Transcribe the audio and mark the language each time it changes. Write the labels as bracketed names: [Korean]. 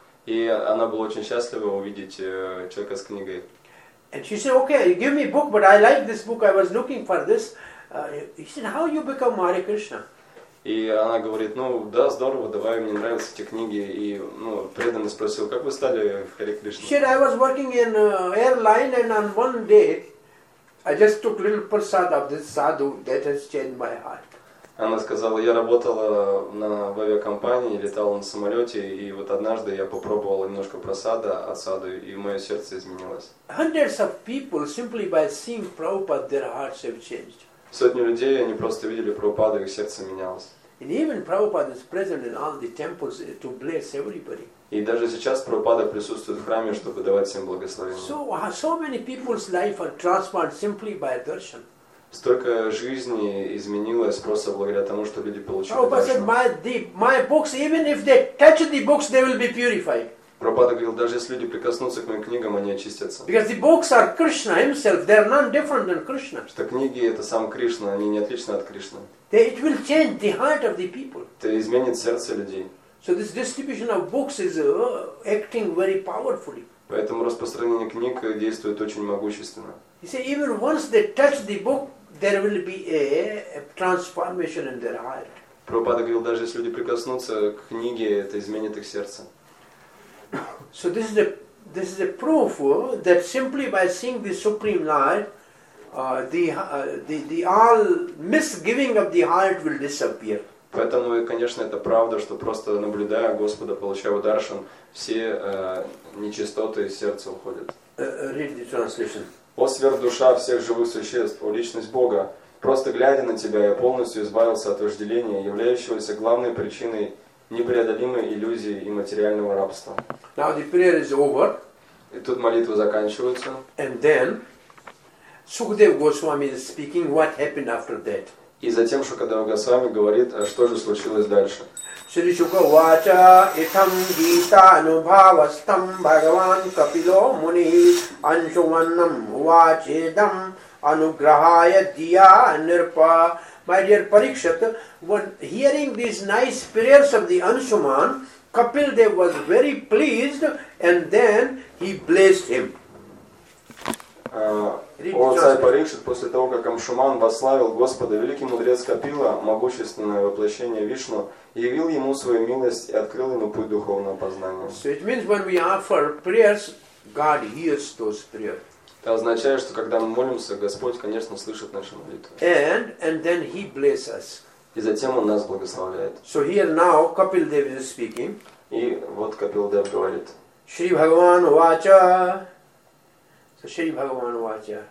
[Russian] И она была очень счастлива увидеть человека с книгой. [English] And she said, "Okay, give me book, but I like this book. I was looking for this." He said, "How you become Hare Krishna?" [Russian] И она говорит, ну да, здорово, давай, мне нравятся эти книги. И ну, преданный спросил, как вы стали в Харе Кришне? [English] She said, I was working in airline and on one day I just took little prasad of this sadhu that has changed my heart. [Russian] Она сказала, я работала в авиакомпании, летала на самолете, и вот однажды я попробовала немножко прасада от саду, и мое сердце изменилось. [English] Hundreds of people simply by seeing Prabhupada their hearts have changed. [Russian] Сотни людей, они просто видели Прабхупаду, их сердце менялось. [English] And even Prabhupada is present in all the temples to bless everybody. [Russian] И даже сейчас Прабхупада присутствует в храме, чтобы давать всем благословение. [English] So many people's life are transformed simply by darshan. [Russian] Столько жизни изменилось просто благодаря тому, что люди получили даршан. [English] My books, even if they touch the books, they will be purified. [Russian] Прабхупада говорил, даже если люди прикоснутся к моим книгам, они очистятся. [English] Because the books are Krishna himself, they are none different than Krishna. [Russian] Что книги это сам Кришна, они не отличны от Кришны. [English] It will change the heart of the people. [Russian] Это изменит сердце людей. [English] So this distribution of books is acting very powerfully. [Russian] Поэтому распространение книг действует очень могущественно. [English] You see, even once they touch the book, there will be a transformation in their heart. [Russian] Прабхупада говорил, даже если люди прикоснутся к книге, это изменит их сердце. [English] So this is a proof that simply by seeing the Supreme Lord, the all misgiving of the heart will disappear. [Russian] Поэтому, конечно, это правда, что просто наблюдая Господа, получая даршан, все нечистоты из сердца уходят. [English] Read the translation. [Russian] О сверхдуша всех живых существ, о личность Бога, просто глядя на тебя, я полностью избавился от вожделения, являющегося главной причиной непреодолимой иллюзии и материального рабства. [English] Now the prayer is over. [Russian] И тут молитва заканчивается. [English] And then Sukadeva Goswami is speaking what happened after that. [Russian] И затем Шукадева Госвами говорит, а что же случилось дальше. [Sanskrit] Шри Шука вача итам гита анубхавастам бхагаван капило муни аншуманнам вачедам ануграхая дия нирпа. [English] My dear Parikshit, when hearing these nice prayers of the Anshuman, Kapildev was very pleased and then he blessed him. [Russian] о царь Парикшит, после того, как Амшуман восславил Господа, великий мудрец Капила, могущественное воплощение Вишну, явил ему свою милость и открыл ему путь духовного познания. [English] So it means when we offer prayers, God hears those prayers. [Russian] Это означает, что когда мы молимся, Господь, конечно, слышит наши молитвы. [English] And then He blesses. [Russian] И затем Он нас благословляет. [English] So here now Kapil Dev is speaking. [Russian] И вот Капил Дев говорит. [Sanskrit] Шри Бхагаван Вача. So Шри Бхагаван Вача.